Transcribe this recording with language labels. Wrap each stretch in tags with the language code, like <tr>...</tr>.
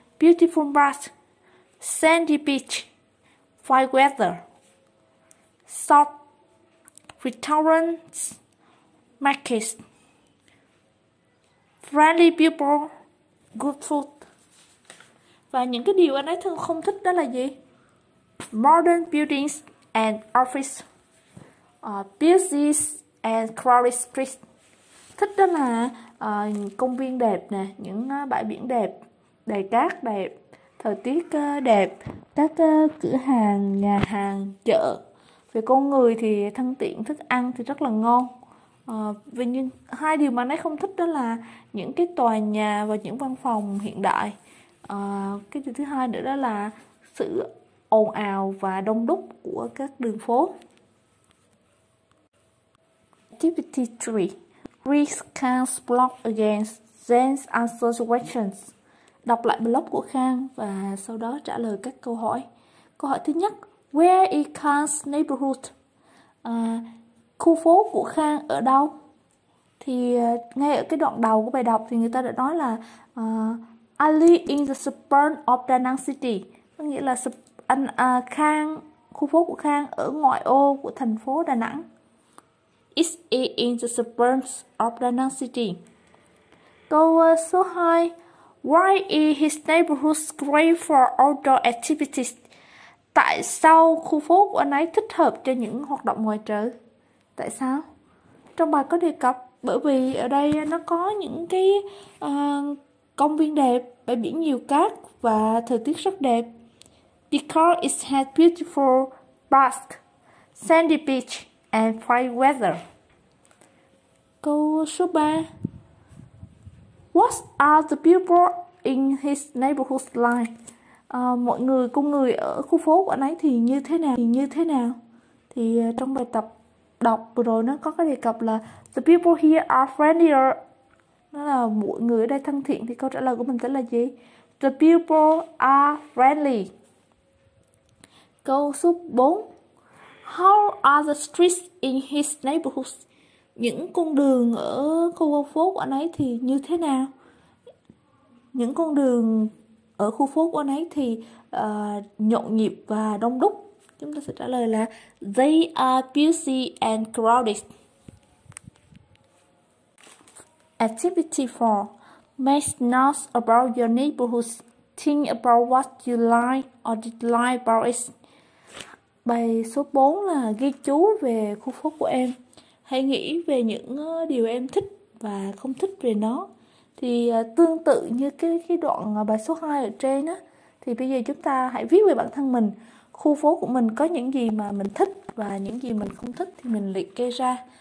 <en>Beautiful beach, sandy beach, fine weather, shop, restaurants, markets, friendly people, good food.</en> <vi>Và những cái điều anh ấy thường không thích đó là gì?</vi> <en>Modern buildings and office, busy and crowded streets.</en> <vi>Thích đó là công viên đẹp nè, những bãi biển đẹp, đầy cát đẹp, thời tiết đẹp, các cửa hàng, nhà hàng, chợ. Về con người thì thân thiện, thức ăn thì rất là ngon, Vì nhưng hai điều mà anh ấy không thích đó là những cái tòa nhà và những văn phòng hiện đại. Cái điều thứ hai nữa đó là sự ồn ào và đông đúc của các đường phố.</vi> <en>Activity 3. Reese can't block against Jane's answer questions.</en> <vi>Đọc lại blog của Khang và sau đó trả lời các câu hỏi. Câu hỏi thứ nhất,</vi> <en>where is Khang's neighborhood?</en> <vi>Khu phố của Khang ở đâu? Thì ngay ở cái đoạn đầu của bài đọc thì người ta đã nói là</vi> <en>I live in the suburb of Da Nang City.</en> <vi>Có nghĩa là Khang, khu phố của Khang ở ngoại ô của thành phố Đà Nẵng.</vi> <en>Is it in the suburbs of Da Nang City?</en> <vi>Câu số 2.</vi> <en>Why is his neighborhood great for outdoor activities?</en> <vi>Tại sao khu phố của anh ấy thích hợp cho những hoạt động ngoài trời? Tại sao? Trong bài có đề cập bởi vì ở đây nó có những cái công viên đẹp, bãi biển nhiều cát và thời tiết rất đẹp.</vi> <en>Because it has beautiful bask, sandy beach and fine weather.</en> <vi>Câu số 3.</vi> <en>What are the people in his neighborhood like?</en> <vi>Mọi người, con người ở khu phố của anh ấy thì như thế nào? Thì trong bài tập đọc vừa rồi nó có cái đề cập là</vi> <en>the people here are friendlier.</en> <vi>Nó là mọi người ở đây thân thiện thì câu trả lời của mình sẽ là gì?</vi> <en>The people are friendly.</en> <vi>Câu số 4.</vi> <en>How are the streets in his neighborhood?</en> <vi>Những con đường ở khu phố của anh ấy thì như thế nào? Những con đường ở khu phố của anh ấy thì nhộn nhịp và đông đúc. Chúng ta sẽ trả lời là</vi> <en>they are busy and crowded. Activity 4. Make notes about your neighborhood. Think about what you like or dislike about it.</en> <vi>Bài số 4 là ghi chú về khu phố của em. Hãy nghĩ về những điều em thích và không thích về nó. Thì tương tự như cái đoạn bài số 2 ở trên á, thì bây giờ chúng ta hãy viết về bản thân mình. Khu phố của mình có những gì mà mình thích và những gì mình không thích thì mình liệt kê ra.</vi>